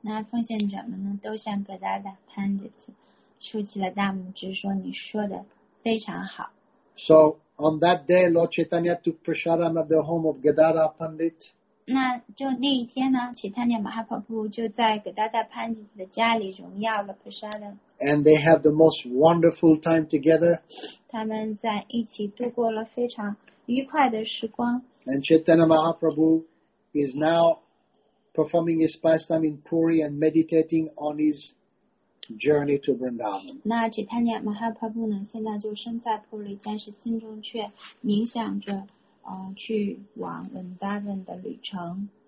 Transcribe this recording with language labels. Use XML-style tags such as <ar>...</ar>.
<zh>那奉献者们呢都向 Gadara Pandit 竖起了大拇指，说你说的非常好。</zh> <en>SoOn that day, Lord Chaitanya took prasadam at the home of Gadara Pandit.</en> <zh>那就那一天呢 ，Chaitanya Mahaprabhu 就在 Gadara Pandit 的家里荣耀了 prasadam.</zh> <en>And they had the most wonderful time together.</en> <zh>他们在一起度过了非常愉快的时光。</zh> <en>And Chaitanya Mahaprabhu is now performing his pastime in Puri and meditating on his. Journey to Vrindavan.</en> <zh>那 Chaitanya Mahaprabhu 呢，现在就身在普里，但是心中却冥想着，去往 Vrindavan 的旅程。</zh>